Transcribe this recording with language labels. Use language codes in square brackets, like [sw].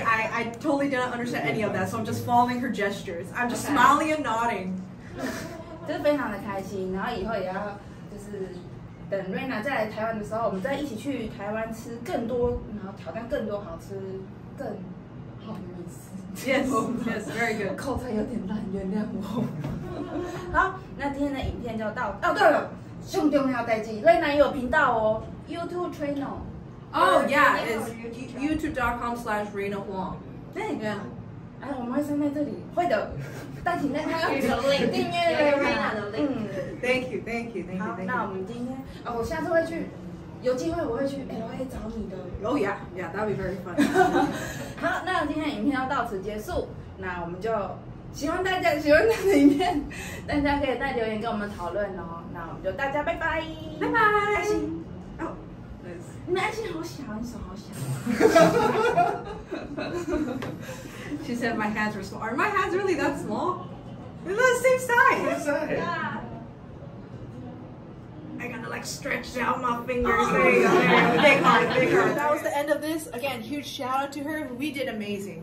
[en] I totally didn't understand any of that, so I'm just following her gestures. I'm just smiling and nodding. [zh] 就是非常的开心，然后以后也要就是等 Raina 再来台湾的时候，我们再一起去台湾吃更多，然后挑战更多好吃更好的美食。 [en] Yes, very good. [zh] 口才有点烂，原谅我。好，那今天的影片就到。哦，对了，很重要的事，瑞娜有频道哦 ，YouTube channel。 [en] Oh yeah, it's youtube.com/RenaHuang。 [zh] 那个，哎，我们会放在这里，会的。但请大家有个 link 订阅瑞娜的 link。 [en] Thank you. [zh] 好，那我们今天，哦，我下次会去。有机会我会去 LA 找你的。 [en] Oh yeah, yeah, that'd be very fun. [zh] 好，那今天的影片要到此结束，那我们就希望大家喜欢他的影片，大家可以再留言跟我们讨论哦。那我们就大家拜拜，拜拜。爱心，哦，你的爱心好小，你手好小。 [en] She said my hands were small. Are my hands really that small? They're the same size. Same size. Yeah. I gotta like stretch out my fingers. Bigger. That was the end of this. Again, huge shout out to her. We did amazing.